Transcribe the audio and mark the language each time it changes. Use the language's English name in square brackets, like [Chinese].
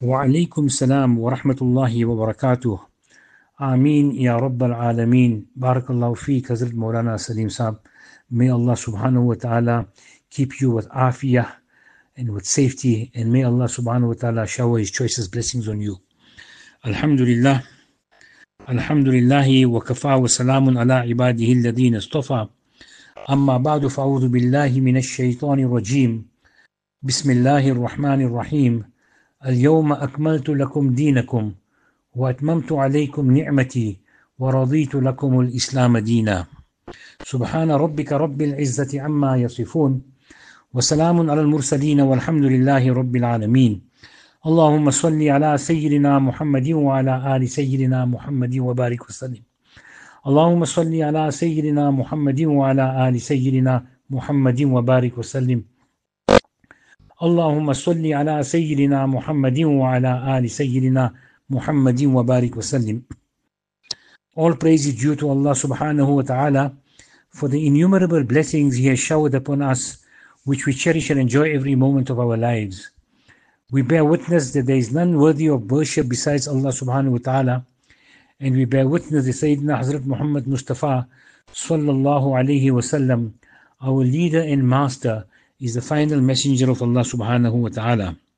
[Arabic] وعليكم السلام ورحمة الله وبركاته. آمين يا رب العالمين. بارك الله فيك حضرت مولانا سليم صاحب. [English] May Allah subhanahu wa ta'ala keep you with afiyah and with safety, and may Allah subhanahu wa ta'ala shower his choices blessings on you. [Arabic] Alhamdulillah. Alhamdulillahi wa kafa wa salamun ala ibadihi alladhina istafa. Amma ba'du fa'udhu billahi minash shaitani rajim. Bismillahir rahmanir rahim. اليوم أكملت لكم دينكم وأتممت عليكم نعمتي ورضيت لكم الإسلام دينا. سبحان ربك رب العزة عما يصفون وسلام على المرسلين والحمد لله رب العالمين. اللهم صل على سيدنا محمد وعلى آل سيدنا محمد وبارك وسلم. اللهم صل على سيدنا محمد وعلى آل سيدنا محمد وبارك وسلم. اللهم صل على سيدنا محمد وعلى آل سيدنا محمد وبارك وسلم. [English] All praise is due to Allah subhanahu wa ta'ala for the innumerable blessings He has showered upon us, which we cherish and enjoy every moment of our lives. We bear witness that there is none worthy of worship besides Allah subhanahu wa ta'ala, and we bear witness that Sayyidina Hazrat Muhammad Mustafa sallallahu alayhi wa sallam, our leader and master, is the final messenger of Allah subhanahu wa ta'ala.